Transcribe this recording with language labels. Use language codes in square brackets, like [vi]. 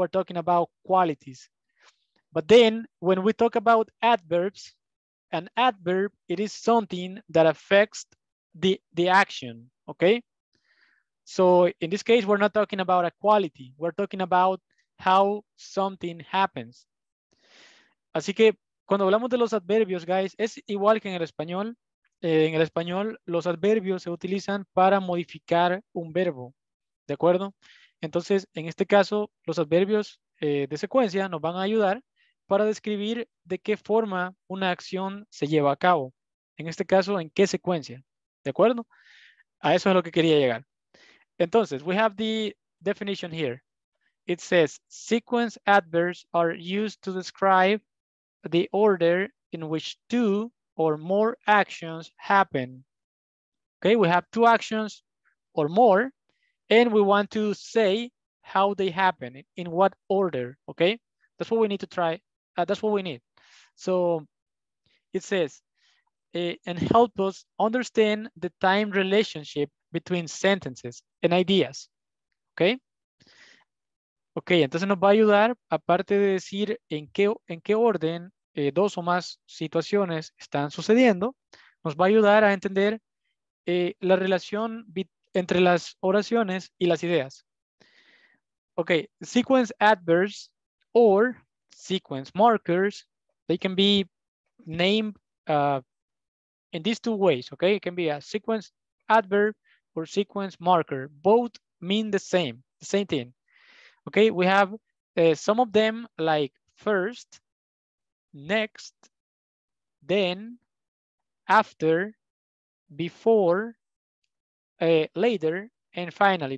[en] We're talking about qualities. But then when we talk about adverbs, an adverb, it is something that affects the action, okay? So in this case, we're not talking about a quality. We're talking about how something happens. [es] Así que cuando hablamos de los adverbios, guys, es igual que en el español. En el español, los adverbios se utilizan para modificar un verbo, ¿de acuerdo? Entonces, en este caso, los adverbios de secuencia nos van a ayudar para describir de qué forma una acción se lleva a cabo. En este caso, en qué secuencia. ¿De acuerdo? A eso es lo que quería llegar. Entonces, [en] we have the definition here. it says sequence adverbs are used to describe the order in which two or more actions happen. Okay, we have two actions or more, and we want to say how they happen, in what order, okay? That's what we need to try, that's what we need. So it says, and help us understand the time relationship between sentences and ideas, okay? [es] Okay, entonces nos va a ayudar, aparte de decir en qué orden dos o más situaciones están sucediendo, nos va a ayudar a entender la relación entre las oraciones y las ideas. [en] Okay, sequence adverbs or sequence markers, they can be named in these two ways, okay? It can be a sequence adverb or sequence marker. Both mean the same thing. Okay, we have some of them like first, next, then, after, before, later, and finally.